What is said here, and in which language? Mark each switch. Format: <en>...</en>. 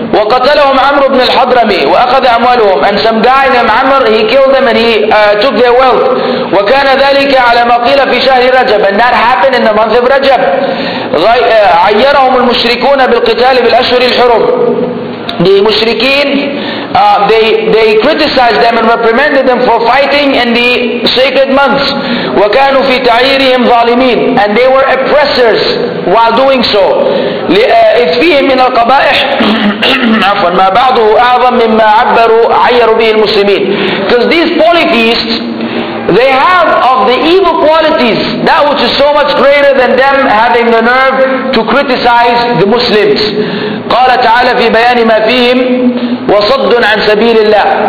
<ar>وقتلهم عمرو بن الحضرمي وأخذ أموالهم.</ar> <en>And some guy named Amr, he killed them and he took their wealth.</en> <ar>وكان ذلك على ما قيل في شهر رجب.</ar> <en>And that happened in the month of Rajab.</en> <ar>عيرهم المشركون بالقتال بالأشهر الحرم.</ar> <en>The mushrikeen, they criticized them and reprimanded them for fighting in the sacred months.</en> <ar>وَكَانُوا فِي تَعِيرِهِمْ ظَالِمِينَ.</ar> <en>And they were oppressors while doing so.</en> <ar>إِذْ فِيهِمْ مِنَ الْقَبَائِحِ عَفْوًا مَا بَعْضُهُ أَعْظَمْ مِمَّا عَبَّرُوا عَيَّرُوا بِهِ الْمُسْلِمِينَ.</ar> <en>Because these polytheists, they have of the evil qualities that which is so much greater than them having the nerve to criticize the Muslims.</en> <ar>قال تعالى في بيان ما فيهم وصد عن سبيل الله.</ar>